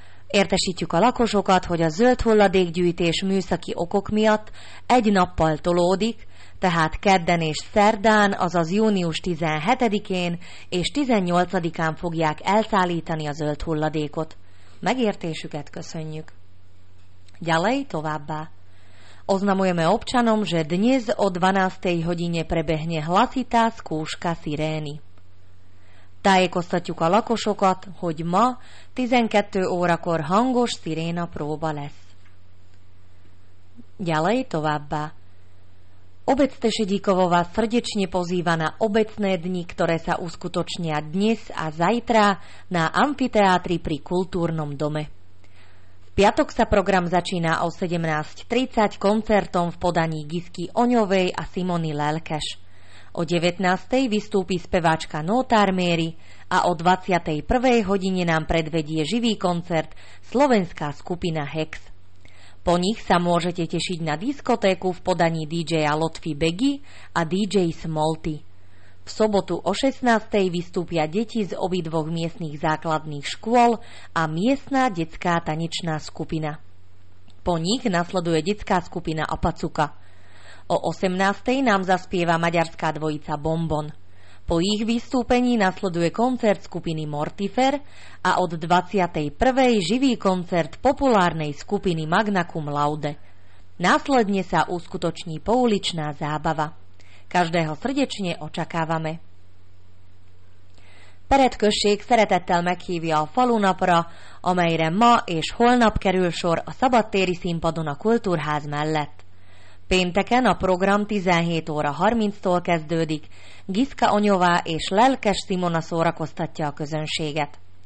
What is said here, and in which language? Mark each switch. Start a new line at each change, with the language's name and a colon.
Hungarian: Értesítjük a lakosokat, hogy a zöld hulladékgyűjtés műszaki okok miatt egy nappal tolódik, tehát kedden és szerdán, azaz június 17-én és 18-án fogják elszállítani a zöld hulladékot. Megértésüket köszönjük.
Slovak: Ďalej
Hungarian: továbbá.
Slovak: Oznamujeme občanom, že dnes o 12. hodine prebehne hlasitá skúška sirény.
Hungarian: Tájékoztatjuk a lakosokat, hogy ma 12 órakor hangos sziréna próba lesz.
Slovak: Ďalej
Hungarian: továbbá.
Slovak: Obec Tešedíkovo vás srdečne pozýva na obecné dni, ktoré sa uskutočnia dnes a zajtra na amfiteátri pri kultúrnom dome. V piatok sa program začína o 17.30 koncertom v podaní Gisky Oňovej a Simony Lelkeš. O 19. vystúpi speváčka Notár Méry a o 21. hodine nám predvedie živý koncert slovenská skupina Hex. Po nich sa môžete tešiť na diskotéku v podaní DJa Lotfi Begi a DJ Smolty. V sobotu o 16. vystúpia deti z obidvoch miestnych základných škôl a miestna detská tanečná skupina. Po nich nasleduje detská skupina Apacuka. O 18. nám zaspieva maďarská dvojica Bonbon. Po ich vystúpení nasleduje koncert skupiny Mortifer a od 21. živý koncert populárnej skupiny Magna Cum Laude. Následne sa uskutoční pouličná zábava. Každého srdečne očakávame.
Hungarian: Peretkösség szeretettel meghívja a falunapra, amelyre ma és holnap kerül sor a szabadtéri színpadon a kultúrház mellett. Pénteken a program 17 óra 30-tól kezdődik, Giszka Anyová és Lelkes Simona szórakoztatja a közönséget.